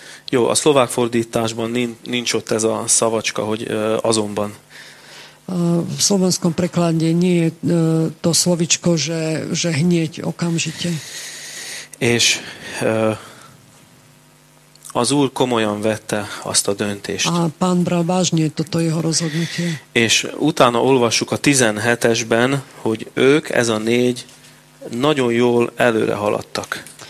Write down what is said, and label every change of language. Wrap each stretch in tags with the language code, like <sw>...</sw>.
<hu>Jó, a szlovák fordításban nincs ott ez a szavacska, hogy azonban.</hu> <sk>V slovenskom preklade nie je to slovičko, že hneď, okamžite.</sk> <hu>És az Úr komolyan vette azt a döntést.</hu> <sk>A pán bral vážne toto jeho rozhodnutie.</sk> <hu>És utána olvassuk a 17-esben, hogy ők, ez a négy, nagyon jól előre haladtak.</hu>